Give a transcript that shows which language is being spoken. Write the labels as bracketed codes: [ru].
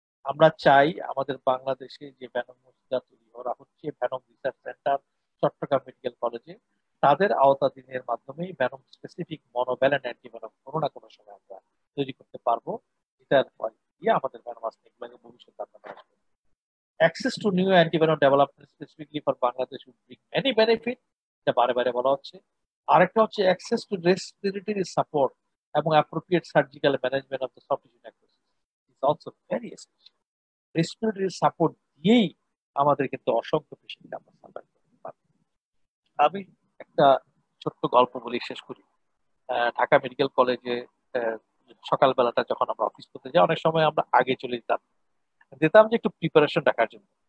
[bn] আমরা চাই আমাদের বাংলাদেশে যে ভেনম যা তৈরি করা হচ্ছে venom research centre Chittagong medical কলেজে, তাদের আওতাধীনের মাধ্যমেই ভেনম স্পেসিফিক মনোভ্যালেন্ট অ্যান্টিভেনম কোনো না কোনো সময় আমরা তৈরি করতে পারবো, যেটার ফল দিয়ে আমাদের ভেনম স্নেক বাইটের ভবিষ্যৎ আমরা করব। [en] Access to new antivenom development specifically for Bangladesh would bring many benefit, [bn] যা বারে বারে বলা হচ্ছে। আরেকটা হচ্ছে [en] access to respiratory support এবং appropriate surgical management of the soft tissue necrosis is also very essential. [bn] Respiratory support দিয়েই আমাদের কিন্তু অসংখ্য পেশেন্টকে আমরা সার্ভাইভ করতে পারি। আমি একটা ছোট্ট গল্প বলি শেষ করি। ঢাকা মেডিকেল কলেজে সকালবেলাটা যখন আমরা অফিস করতে যাই, অনেক সময় আমরা আগে চলে যেতাম, যেতাম যে একটু প্রিপারেশন রাখার জন্য।